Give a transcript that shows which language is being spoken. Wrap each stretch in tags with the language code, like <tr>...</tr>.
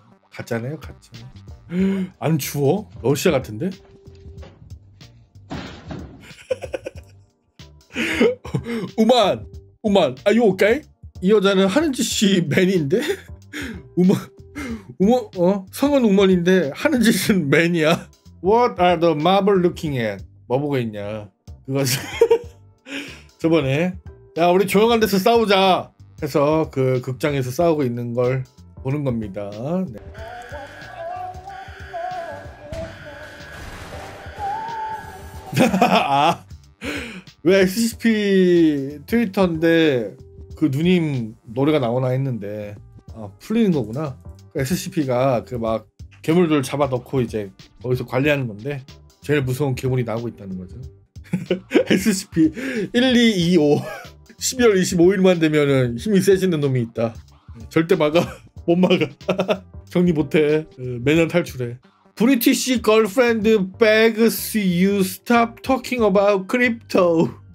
<ko>가짜네요. 가짜. 안 추워? 러시아 같은데?</ko> <en>우만! 우만! Are you okay?</en> <ko>이 여자는 하는 짓이 맨인데? 우먼, 우먼, 어? 성은 우먼인데 하는 짓은 맨이야?</ko> <en>What are the marble looking at?</en> <ko>뭐 보고 있냐? 그것은 저번에 야 우리 조용한 데서 싸우자 해서 그 극장에서 싸우고 있는 걸 보는 겁니다. 네. 왜 SCP 트위터인데 그 누님 노래가 나오나 했는데 풀리는 거구나. SCP가 그 막 괴물들 잡아넣고 이제 거기서 관리하는 건데 제일 무서운 괴물이 나오고 있다는 거죠. SCP 1225 12월 25일만 되면은 힘이 세지는 놈이 있다. 절대 막아. 못 막아. 정리 못해. 매년 탈출해.</ko> <en>British girlfriend begs you stop talking about crypto.</en>